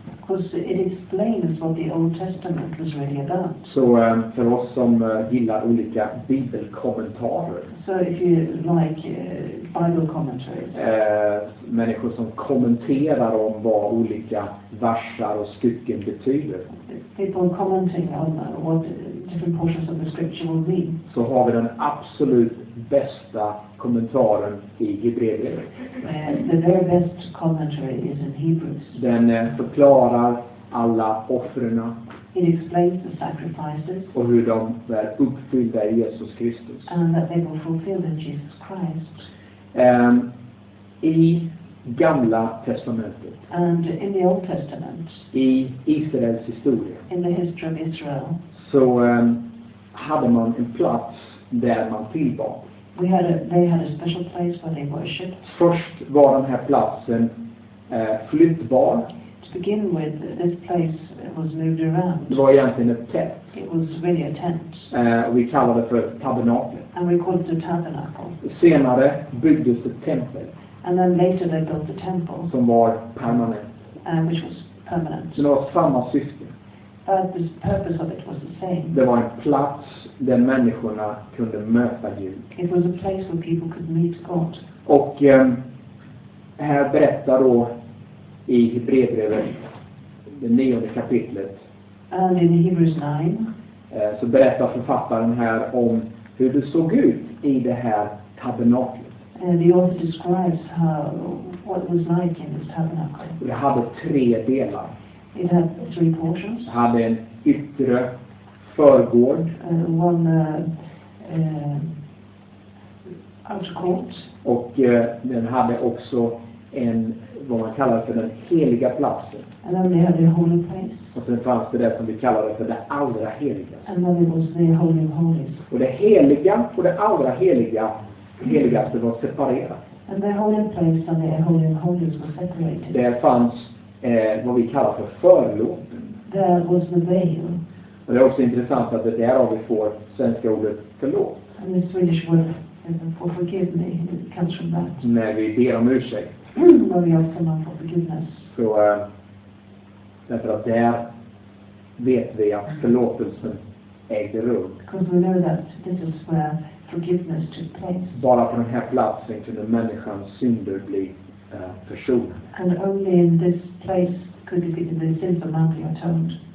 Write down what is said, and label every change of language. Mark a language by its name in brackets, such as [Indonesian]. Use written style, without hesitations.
[English] Because it explains what the Old Testament was really about. [Swedish] Så för oss som gillar olika bibelkommentarer. [English] So if you like Bible commentaries. [Swedish] Människor som kommenterar om vad olika versar och stycken betyder. [English] People commenting on what different portions of the scripture will mean. [Swedish] Så har vi den absolut bästa kommentaren i Hebreerbrevet. [English] The very best commentary is in Hebrews. [Swedish] Den förklarar alla offrerna. [English] It explains the sacrifices. [Swedish] Och hur de är uppfyllda i Jesus Kristus. [English] And that they were fulfilled in Jesus Christ. [Swedish] I Gamla testamentet. [English] And in the Old Testament. [Swedish] I Israels historia. [English] In the history of Israel. [Swedish] Så hade man en plats där man tillbad. [English] They had a special place where they worshipped. [Swedish] Först var den här platsen flyttbar. [English] To begin with, this place was moved around. [Swedish] Det var egentligen ett tält. [English] It was really a tent. [Swedish] Vi kallade det för tabernaklet. [English] And we called it a tabernacle. [Swedish] Senare byggdes ett tempel. [English] And then later they built the temple. [Swedish] Som var permanent. [English] Which was permanent. [Swedish] Det var samma syfte. [English] But the purpose of it was the same. [Swedish] Det var en plats där människorna kunde möta Gud. [English] It was a place where people could meet God. [Swedish] Och här berättar då i Hebreerbrevet, det 9:e kapitlet. [English] And in Hebrews 9. [Swedish] Så berättar författaren här om hur det såg ut i det här tabernaklet. [English] The author describes what it was like in this tabernacle. [Swedish] Det hade tre delar. [English] It had three portions. [Swedish] Det hade en yttre förgård. [English] Outer court. [Swedish] Och den hade också en, vad man kallar för den heliga platsen. [English] And then they had the holy place. [Swedish] Och sen fanns det det som vi kallade för det allra heliga. [English] And then it was the holy of holies. [Swedish] Och det heliga och det allra heliga, heligaste var separerat. [English] And the holy place and the holy of holies were separated. [Swedish] Där fanns vad vi kallar för förlåten. [English] There was the veil. [Swedish] Och det är också intressant att det är där vi får svenska ordet förlåt. [English] And the Swedish word for forgive me, it comes from that. [Swedish] När vi ber om ursäkt. [English] When we ask someone for forgiveness. [Swedish] Så, därför att där vet vi att förlåtelsen ägde rum. [English] Because we know that this is where forgiveness took place. [Swedish] Bara på den här platsen kunde människans synder bli försonade. [English] And only in this place could it be the sins of man be atoned.